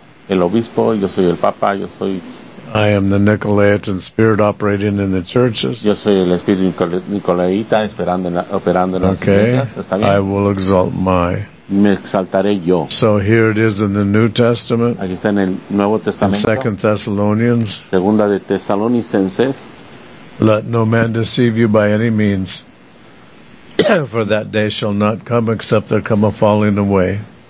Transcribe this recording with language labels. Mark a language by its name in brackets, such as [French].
[Spanish] El obispo, yo soy el papa, yo soy. [English] I am the Nicolaitan spirit operating in the churches. [Spanish] Yo soy el espíritu nicolaita operando en las iglesias. ¿Está bien? [English] I will exalt my. [Spanish] Me exaltaré yo. [English] So here it is in the New Testament. [Spanish] Aquí está en el Nuevo Testamento. [English] In 2 Thessalonians. [Spanish] Segunda de Tesalonicenses. [English] Let no man deceive you by any means. For that day shall not come except there come a falling away.